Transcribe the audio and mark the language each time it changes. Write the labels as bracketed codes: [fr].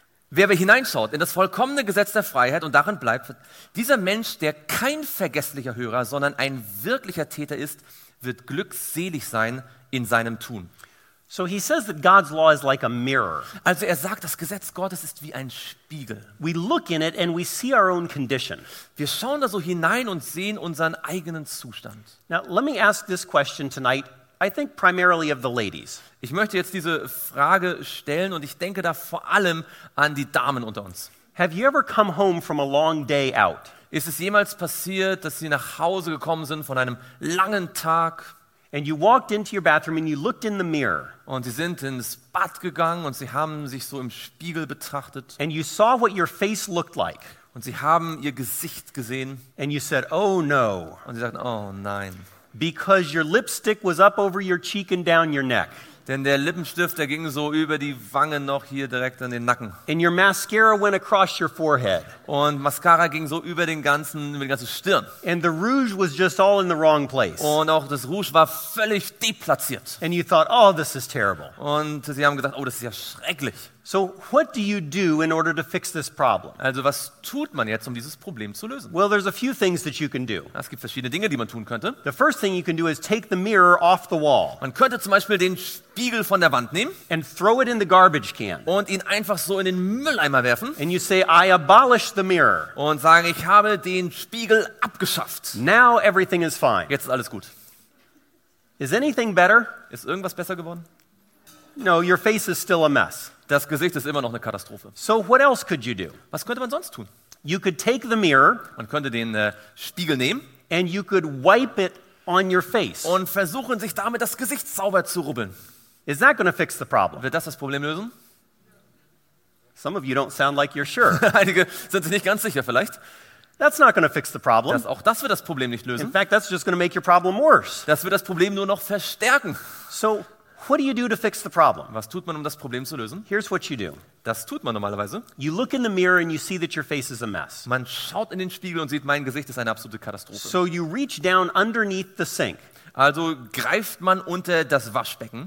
[de] Wer aber hineinschaut in das vollkommene Gesetz der Freiheit und darin bleibt, dieser Mensch, der kein vergesslicher Hörer, sondern ein wirklicher Täter ist, wird glückselig sein in seinem Tun. [en] So he says that God's law is like a mirror. [de] Also er sagt, das Gesetz Gottes ist wie ein Spiegel. [en] We look in it and we see our own condition. [de] Wir schauen da so hinein und sehen unseren eigenen Zustand. [en] Now let me ask this question tonight, I think primarily of the ladies. [de] Ich möchte jetzt diese Frage stellen und ich denke da vor allem an die Damen unter uns. [en] Have you ever come home from a long day out? [de] Ist es jemals passiert, dass Sie nach Hause gekommen sind von einem langen Tag? [en] And you walked into your bathroom and you looked in the mirror. [de] Und sie sind ins Bad gegangen und sie haben sich so im Spiegel betrachtet. [en] And you saw what your face looked like. [de] Und sie haben ihr Gesicht gesehen. [en] And you said, "Oh no." [de] Und sie sagten, "Oh nein." [en] Because your lipstick was up over your cheek and down your neck. [de] Denn der Lippenstift, der ging so über die Wangen noch hier direkt an den Nacken. [en] And your mascara went across your forehead. [de] Und Mascara ging so über den ganzen, über die ganze Stirn. [en] And the rouge was just all in the wrong place. [de] Und auch das Rouge war völlig deplatziert. [en] And you thought, oh, this is terrible. [de] Und sie haben gedacht, oh, das ist ja schrecklich. [en] So what do you do in order to fix this problem? [de] Also was tut man jetzt, um dieses Problem zu lösen? [en] Well, there's a few things that you can do. [de] Es gibt verschiedene Dinge, die man tun könnte. [en] The first thing you can do is take the mirror off the wall. [de] Man könnte zum Beispiel den Spiegel von der Wand nehmen. [en] And throw it in the garbage can. [de] Und ihn einfach so in den Mülleimer werfen. [en] And you say, I abolish the mirror. [de] Und sagen, ich habe den Spiegel abgeschafft. [en] Now everything is fine. [de] Jetzt ist alles gut. [en] Is anything better? [de] Ist irgendwas besser geworden? [en] No, your face is still a mess. [de] Das Gesicht ist immer noch eine Katastrophe. [en] So what else could you do? [de] Was könnte man sonst tun? [en] You could take the mirror. [de] Man könnte den Spiegel nehmen. [en] And you could wipe it on your face. [de] Und versuchen, sich damit das Gesicht sauber zu rubbeln. [en] Is that going to fix the problem? [de] Wird das Problem lösen? [en] Some of you don't sound like you're sure. [de] Einige sind sich nicht ganz sicher, vielleicht. [en] That's not going to fix the problem. [de] Auch das wird das Problem nicht lösen. [en] In fact, that's just going to make your problem worse. [de] Das wird das Problem nur noch verstärken. [en] So what do you do to fix the problem? [de] Was tut man, um das Problem zu lösen? [en] Here's what you do. [de] Das tut man normalerweise. [en] You look in the mirror and you see that your face is a mess. [de] Man schaut in den Spiegel und sieht, mein Gesicht ist eine absolute Katastrophe. [en] So you reach down underneath the sink. [de] Also greift man unter das Waschbecken.